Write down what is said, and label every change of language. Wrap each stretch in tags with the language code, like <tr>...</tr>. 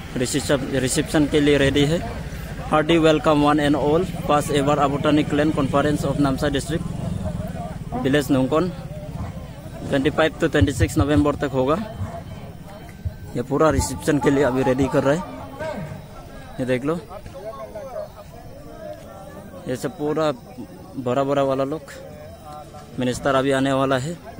<hi>reception के लिए ready है.</hi> <en>Hearty welcome one and all. First ever ABOTANI clan conference of Namsai district. Village Nungkon.</en> <hi>25 to 26 November तक होगा. ये पूरा reception के लिए अभी ready कर रहे. ये देख लो. ये सब पूरा बड़ा बड़ा वाला लोग. मिनिस्टर अभी आने वाला है.</hi>